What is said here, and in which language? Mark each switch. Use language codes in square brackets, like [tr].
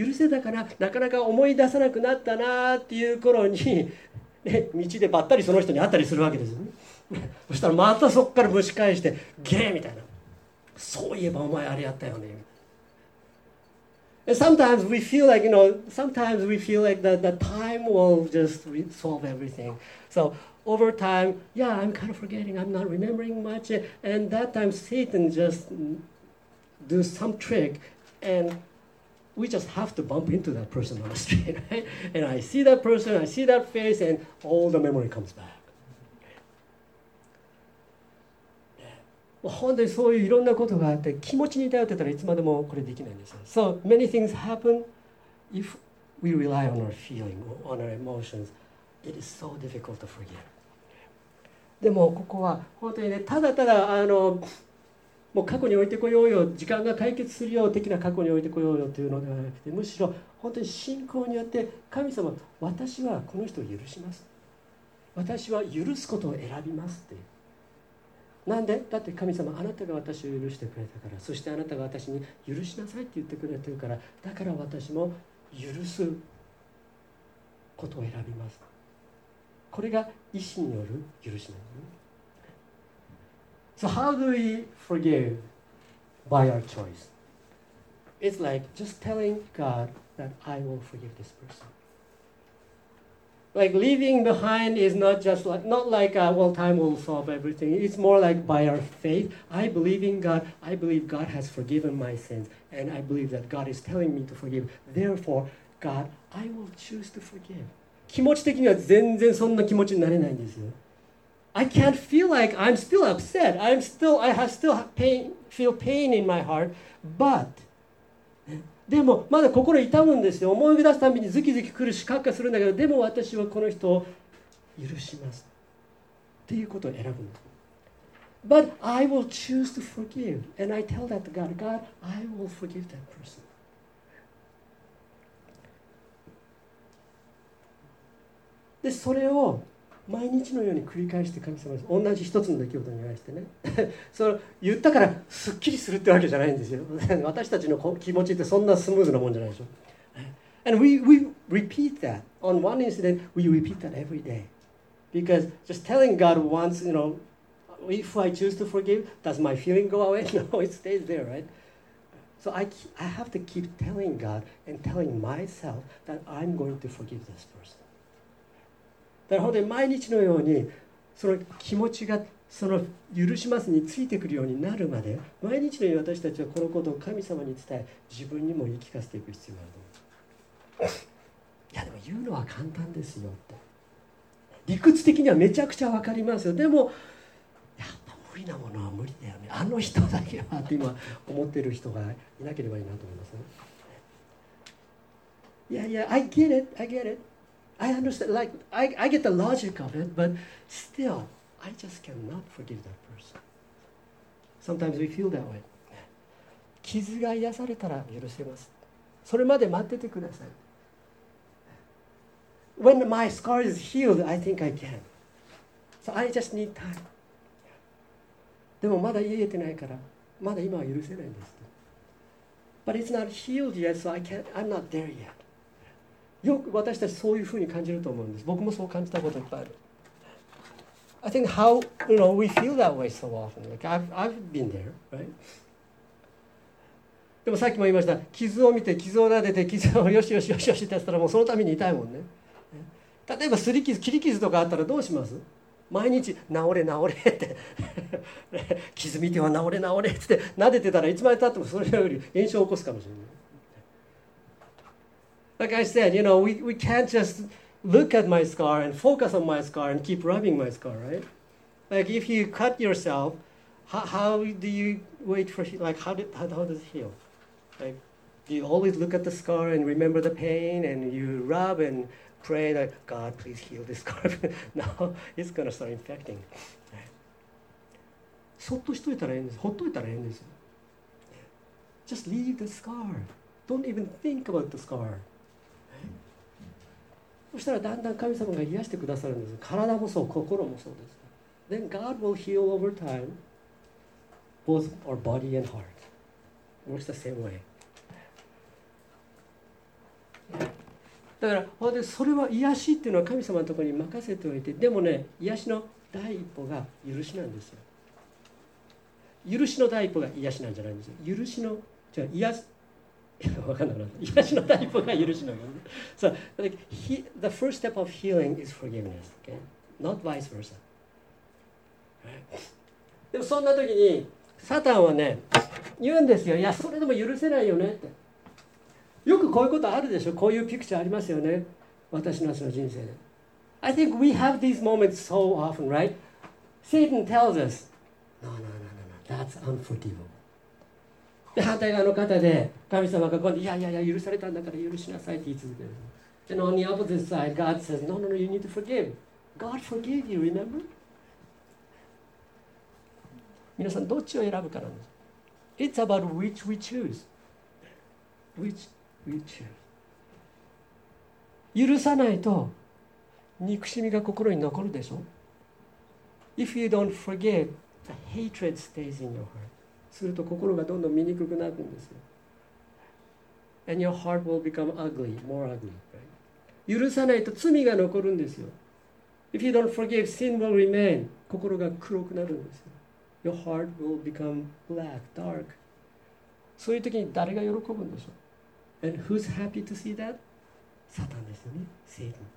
[ja] 許せたからなかなか思い出さなくなったなっていう頃に、ね、道でばったりその人に会ったりするわけですよね。そしたらまたそこから蒸し返してゲーみたいな、そういえばお前あれやったよね。 [en] And sometimes we feel like, you know, sometimes we feel like that the time will just solve everything. Soover time, yeah, I'm kind of forgetting, I'm not remembering much, and that time Satan just do some trick, and we just have to bump into that person on the street, right? And I see that person, I see that face, and all the memory comes back. [ja] Well, 本当にそういういろんなことがあって、気持ちに頼ってたらいつまでもこれできないんですよ。 [en] So many things happen if we rely on our feeling, on our emotions. It is so difficult to forgive. [ja] でもここは本当にね、ただただもう過去に置いてこようよ、時間が解決するよ的な過去に置いてこようよというのではなくて、むしろ本当に信仰によって神様、私はこの人を許します。私は許すことを選びますって。なんで？だって神様、あなたが私を許してくれたから、そしてあなたが私に許しなさいって言ってくれてるから、だから私も許すことを選びます。これが意思による許しなんですね。 [en] So how do we forgive by our choice? It's like just telling God that I will forgive this person. Like leaving behind is not just like, not like a, well, time will solve everything. It's more like by our faith. I believe in God. I believe God has forgiven my sins. And I believe that God is telling me to forgive. Therefore, God, I will choose to forgive. [ja] 気持ち的には全然そんな気持ちになれないんですよ。 [en] I can't feel like I'm still upset. I still feel pain in my heart. [ja] But, でもまだ心痛むんですよ。思い出すたびにズキズキ来るし、カッカするんだけど、でも私はこの人を許します。っていうことを選ぶんです。 [en] But I will choose to forgive. And I tell that to God, God, I will forgive that person. [ja] でそれを毎日のように繰り返して神様です。同じ一つの出来事に対してね。それ言ったからすっきりするってわけじゃないんですよ。私たちの気持ちってそんなスムーズなもんじゃないでしょ。 [en] And we repeat that. On one incident, we repeat that every day. Because just telling God once, you know, if I choose to forgive, does my feeling go away? No, it stays there, right? So I have to keep telling God and telling myself that I'm going to forgive this person. [ja] だから本当に毎日のようにその気持ちがその許しますについてくるようになるまで、毎日のように私たちはこのことを神様に伝え、自分にも言い聞かせていく必要があると思います。いやでも言うのは簡単ですよって。理屈的にはめちゃくちゃ分かりますよ。でもやっぱ無理なものは無理だよね。あの人だけはって今思っている人がいなければいいなと思います、ね、いやいや [en] I get it. I understand, like, I get the logic of it, but still, I just cannot forgive that person. Sometimes we feel that way. [ja] 傷が癒されたら許せます。それまで待っててください。 [en] When my scar is healed, I think I can. So I just need time. [ja] でもまだ癒えてないから、まだ今は許せないんです。 [en] But it's not healed yet, so I'm not there yet. [ja] よく私たちそういうふうに感じると思うんです。僕もそう感じたこといっぱいある。 [en] I think how, you know, we feel that way so often. Like, I've been there, right? [ja] でもさっきも言いました、傷を見て、傷を撫でて、傷をよしよしよしよしってやったら、もうそのために痛いもんね。例えば擦り傷、切り傷とかあったらどうします？毎日治れ治れって傷見ては治れ治れって撫でてたらいつまでたってもそれより炎症を起こすかもしれない。 [en] Like I said, you know, we can't just look at my scar and focus on my scar and keep rubbing my scar, right? Like if you cut yourself, how do you wait for, like how does it heal? Like, do you always look at the scar and remember the pain and you rub and pray that God please heal this scar? No, it's going to start infecting. [ja] そっとしといたらいいんです。ほっといたらいいんです。 [en] Just leave the scar. Don't even think about the scar. [ja] そしたらだんだん神様が癒してくださるんです。体もそう、心もそうです。 [en] Then God will heal over time, both our body and heart. Works the same way. [ja] だから、それは癒しっていうのは神様のところに任せておいて、でもね、癒しの第一歩が許しなんですよ。許しの第一歩が癒しなんじゃないんですよ。許しの、じゃあ癒し、癒しの第一歩が許しなの。 [en] So, like, the first step of healing is forgiveness, okay? Not vice versa. [ja] でもそんな時に、サタンはね、言うんですよ。いや、それでも許せないよねって。よくこういうことあるでしょ。こういうピクチャーありますよね。私の人生で。 [en] I think we have these moments so often, right? Satan tells us, No, that's unforgivable. [ja] で反対側の方で神様が今度いや許されたんだから許しなさいって言い続ける。 [en] で、on the opposite side, God says, No, you need to forgive. God forgave you, remember? [ja] 皆さんどっちを選ぶかなんです。 [en] It's about which we choose. Which we choose. [ja] 許さないと憎しみが心に残るでしょ。 [en] If you don't forgive, the hatred stays in your heart. [ja] すると心がどんどん醜くなるんですよ。 [en] And your heart will become ugly, more ugly.、Right? [ja] 許さないと罪が残るんですよ。 [en] If you don't forgive, sin will remain. [ja] 心が黒くなるんですよ。 [en] Your heart will become black, dark. [ja] そういう時に誰が喜ぶんでしょう。 [en] And who's happy to see that? [ja] サタンですよね。 [en] Satan.